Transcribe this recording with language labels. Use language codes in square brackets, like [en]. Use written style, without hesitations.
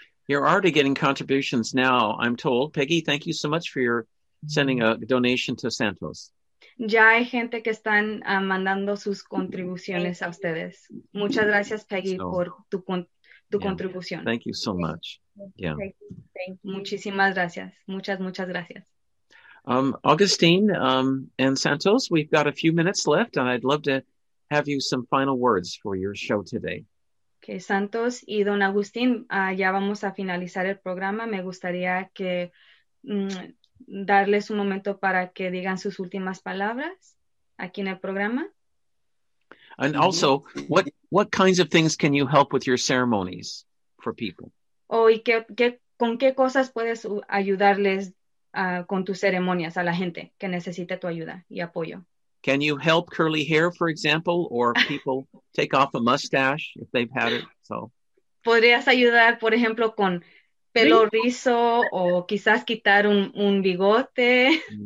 [en] You're already getting contributions now, I'm told. Peggy, thank you so much for your sending a donation to Santos. [es] Ya hay gente que están mandando sus contribuciones a ustedes. Muchas gracias, Peggy, por tu contribución. [en] Thank you so much. Yeah. [es] Muchísimas gracias. Muchas gracias. [en] Augustine and Santos, we've got a few minutes left, and I'd love to have you some final words for your show today. [es] Okay, Santos y Don Agustín, ya vamos a finalizar el programa. Me gustaría que darles un momento para que digan sus últimas palabras aquí en el programa. [en] And also, what kinds of things can you help with your ceremonies for people? [es] Oh, y con qué cosas puedes ayudarles con tus ceremonias a la gente que necesita tu ayuda y apoyo. [en] Can you help curly hair, for example, or people take off a mustache if they've had it? So. [es] ¿Podrías ayudar, por ejemplo, con pelo rizo o quizás quitar un bigote?